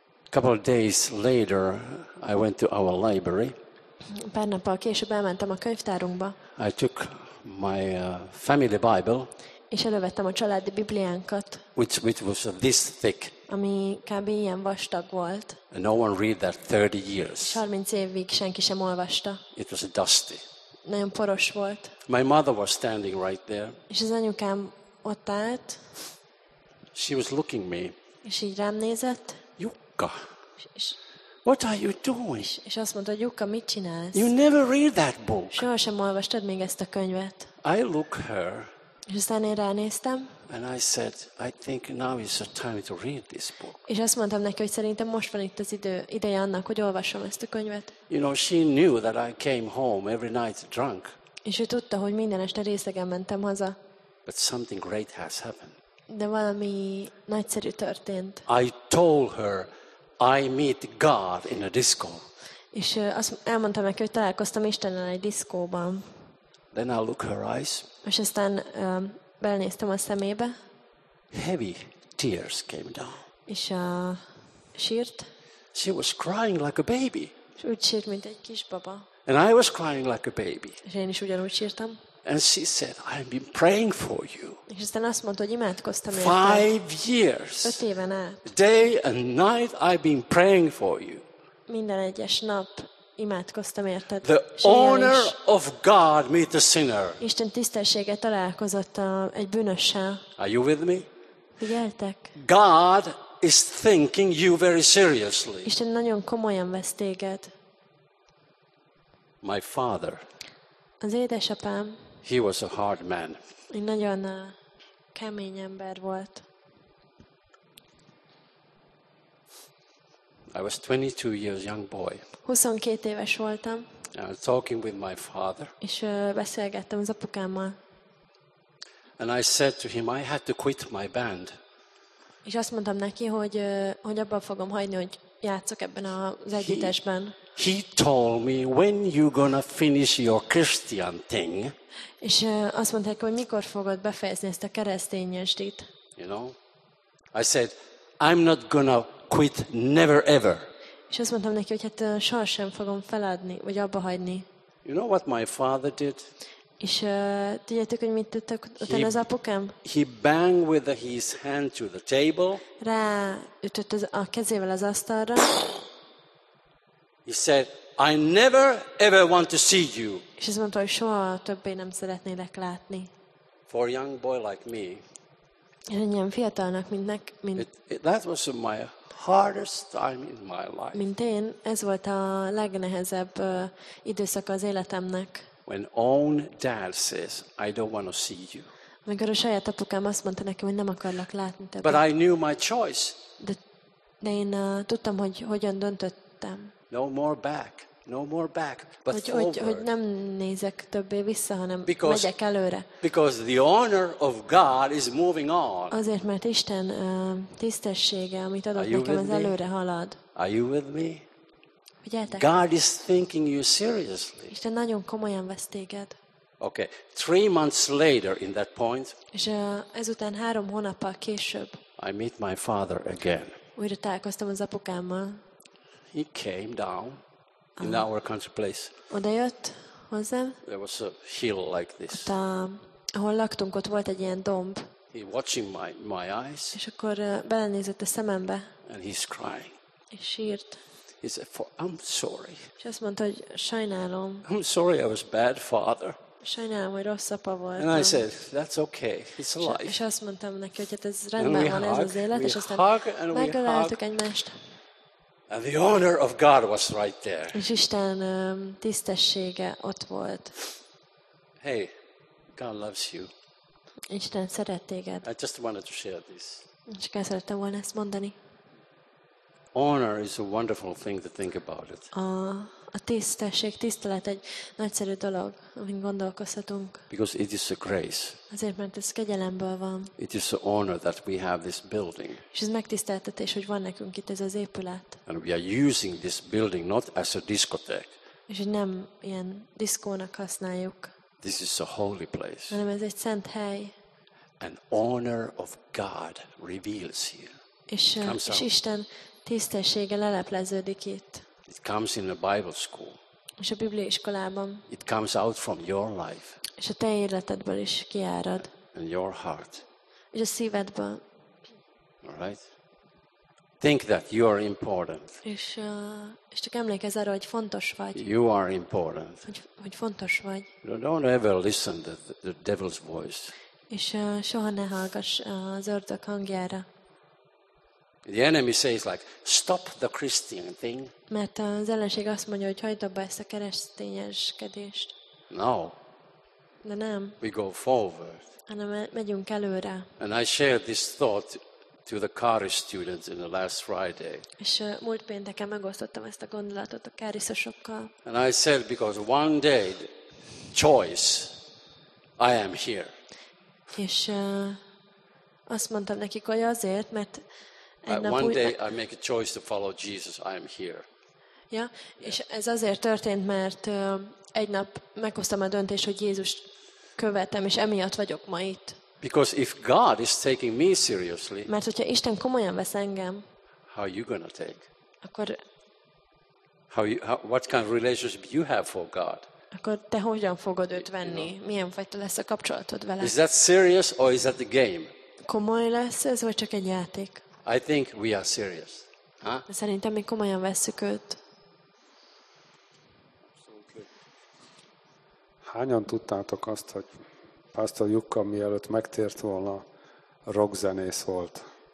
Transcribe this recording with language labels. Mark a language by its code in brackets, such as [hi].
[en] Couple of days later, I went to our library. [hu] Pár nappal később elmentem a könyvtárunkba. [en] I took my family Bible. [hu] És elővettem a családi bibliánkat. [en] Which was this thick. [hu] Ami kb. Ilyen vastag volt. [en] And no one read that 30 years. [hu] 30 évig senki sem olvasta. [en] It was dusty. [hu] Nagyon poros volt. [en] My mother was standing right there. [hu] És az anyukám ott állt. [en] She was looking me. [hu] És így rám nézett. [en] Jukka. What are you doing? [hu] És azt mondta, Jukka, mit csinálsz? [en] You never read that book. [hu] Soha sem olvastad még ezt a könyvet. [en] I look her. [hu] És aztán én ránéztem. [en] And I said, I think now is the time to read this book. [hu] És azt mondtam neki, hogy szerintem most van itt az ideje annak, hogy olvassam ezt a könyvet. [en] You know, she knew that I came home every night drunk. [hu] És ő tudta, hogy minden este részegen mentem haza. [en] But something great has happened. [hu] De valami nagyszerű történt. [en] I told her I meet God in a disco. [hu] És azt elmondtam neki, hogy találkoztam Istennel egy diszkóban. [en] Then I look her eyes. [hu] És aztán belnéztem a szemébe. [en] Heavy tears came down. [hu] És sírt. [en] She was crying like a baby. [hu] És úgy sírt, mint egy kis baba. [en] And I was crying like a baby. [hu] És én is ugyanúgy sírtam. [en] And she said, "I've been praying for you." [hu] És aztán azt mondta, hogy imádkoztam érted. [en] 5 years. [hu] 5 éven át. [en] Day and night I've been praying for you. [hu] Minden egyes nap imádkoztam érted. [en] The honor of God meet the sinner. [hu] Isten tisztessége találkozott egy bűnössel. [en] Are you with me? [hu] Figyeltek? [en] God is thinking you very seriously. [hu] Isten nagyon komolyan vesz téged. [en] My father. [hu] Az édesapám. [en] He was a hard man. [hu] Egy nagyon kemény ember volt. [en] I was 22 years young boy. [hu] 22 éves voltam. [en] I was talking with my father. [hu] És beszélgettem az apukámmal. [en] And I said to him, I had to quit my band. [hu] És azt mondtam neki, hogy abban fogom hagyni, hogy játszok ebben az együttesben. [en] He told me when you gonna finish your Christian thing. [hu] És azt mondta, hogy mikor fogod befejezni ezt a kereszténységet. [en] You know? I said, I'm not gonna quit never ever. [hu] És azt mondtam neki, hogy hát sohasem fogom feladni, vagy abba hagyni. [en] You know what my father did? [hu] És tudjátok, hogy mit tett utána az apukám? [en] He banged with his hand to the table. [hu] Ráütött a kezével az asztalra. [en] He said, "I never ever want to see you." [hu] És azt mondta, hogy soha többé nem szeretnélek látni. [en] For a young boy like me. [hu] Ilyen fiatalnak, mint [en] that was my hardest time in my life. [hu] Mint én, ez volt a legnehezebb időszak az életemnek. [en] When own dad says, I don't want to see you. [hu] Amikor a saját apukám azt mondta nekem, hogy nem akarlak látni többet. [en] But I knew my choice. [hu] De én tudtam, hogy hogyan döntöttem. [en] No more back. No more back, but forward. [hu] Hogy nem nézek többé vissza, hanem megyek előre. [en] Because the honor of God is moving on. [hu] Azért, mert Isten tisztessége, amit adott nekem, az előre halad. [en] Are you with me? [hu] Figyeltek? [en] God is thinking you seriously. [hu] Isten nagyon komolyan vesz téged. [en] Okay. 3 months later, in that point. [hu] És ezután 3 hónappal később. [en] I meet my father again. [hu] Újra találkoztam az apukámmal. [en] He came down. In our country place. [hu] Odajött hozzám. [en] There was a hill like this. [hu] Ott, ahol laktunk, ott volt egy ilyen domb. [en] He watching my eyes. [hu] És akkor belenézett a szemembe. [en] And he's crying. [hu] És sírt. [en] He said, I'm sorry. [hu] És azt mondta, hogy sajnálom. [en] I'm sorry I was bad father. [hu] Sajnálom, hogy rossz apa voltam. [en] And I said, that's okay. It's a life. [hu] És azt mondtam neki, hogy hát ez rendben van, ez az élet. [en] We [hu] és aztán [en] hug and we [hu] megöleltük egymást. [en] And the honor of God was right there. [hu] És Isten tisztessége ott volt. [en] Hey, God loves you. [hu] Isten szeret téged. [en] I just wanted to share this. [hu] Csak el szerettem volna ezt mondani. [en] Honor is a wonderful thing to think about it. [hu] A tisztesség, tisztelet egy nagyszerű dolog, amin gondolkozhatunk. [en] Because it is a grace. [hu] Azért, mert ez kegyelemből van. [en] It is an honor that we have this building. [hu] És ez megtiszteltetés, hogy van nekünk itt ez az épület. [en] And we are using this building not as a discotheque. [hu] És nem ilyen diszkónak használjuk. [en] This is a holy place. [hu] Hanem ez egy szent hely. [en] An honor of God reveals here. [hu] És Isten tisztessége lelepleződik itt. [en] It comes in a Bible school. [hu] És a Biblia iskolában. [en] It comes out from your life. [hu] És a te életedből is kiárad. [en] And your heart. [hu] És a szívedből. [en] All right. Think that you are important. [hu] És csak emlékezz arra, hogy fontos vagy. [en] You are important. [hu] Hogy fontos vagy. [en] Don't ever listen to the devil's voice. [hu] És soha ne hallgass az ördög hangjára. [en] The enemy says like stop the Christian thing. [hu] Mert az ellenség azt mondja, hogy hagyd abba ezt a keresztényeskedést. [en] No. [hu] De nem. [en] We go forward. [hu] Hanem megyünk előre. [en] And I shared this thought to the Kari students in the last Friday. [hu] És múlt pénteken megosztottam ezt a gondolatot a kárisosokkal. [en] And I said because one day choice I am here. [hu] És azt mondtam nekik, hogy azért, mert [en] one day I make a choice to follow Jesus. I am here. [hu] Ja, és ez azért történt, mert egy nap meghoztam a döntést, hogy Jézust követem, és emiatt vagyok ma itt. [en] Because if God is taking me seriously. [hu] Mert hogyha Isten komolyan vesz engem. [en] How are you gonna take? [hu] Akkor [en] what kind of relationship you have for God? [hu] Akkor te hogyan fogod őt venni? [en] You know, [hu] milyen fajta lesz a kapcsolatod vele? [en] Is that serious or is that the game? [hu] Komoly lesz ez, vagy csak egy játék? [en] I think we are serious. Huh? [hu] Szerintem mi komolyan vesszük őt. Hányan tudtátok azt, hogy Pásztor Jukka mielőtt megtért volna, rockzenész volt.